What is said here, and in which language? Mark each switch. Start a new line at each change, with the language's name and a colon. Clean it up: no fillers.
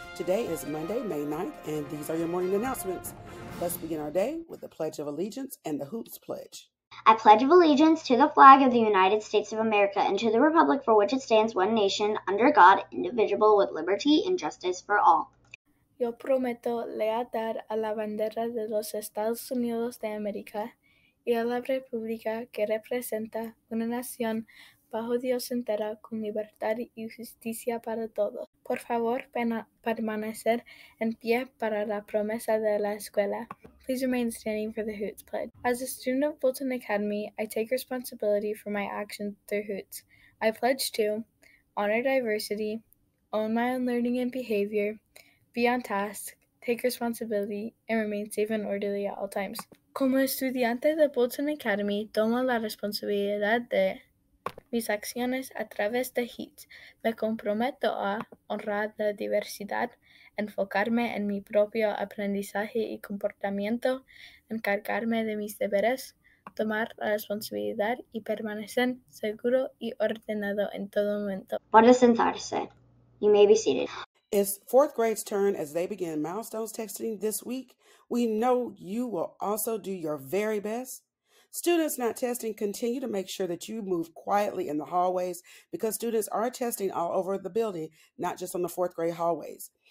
English: Today is Monday, May 9th, and these are your morning announcements. Let's begin our day with the Pledge of Allegiance and the Hoops Pledge. I pledge of allegiance to the flag of the United States of America and to the republic for which it stands, one nation, under God, indivisible, with liberty and justice for all.
Spanish: Yo prometo lealtad a la bandera de los Estados Unidos de América y a la república que representa una nación bajo Dios entera, con libertad y justicia para todos. Por favor, permanecer en pie para la promesa de la escuela.
English: Please remain standing for the Hoots Pledge. As a student of Bolton Academy, I take responsibility for my actions through Hoots. I pledge to honor diversity, own my own learning and behavior, be on task, take responsibility, and remain safe and orderly at all times.
Spanish: Como estudiante de Bolton Academy, tomo la responsabilidad de mis acciones a través de HEATS. Me comprometo a honrar la diversidad, enfocarme en mi propio aprendizaje y comportamiento, encargarme de mis deberes, tomar la responsabilidad y permanecer seguro y ordenado en todo momento. Para sentarse,
English: you may be seated. It's fourth grade's turn as they begin milestones testing this week. We know you will also do your very best. Students not testing, continue to make sure that you move quietly in the hallways because students are testing all over the building, not just on the fourth grade hallways.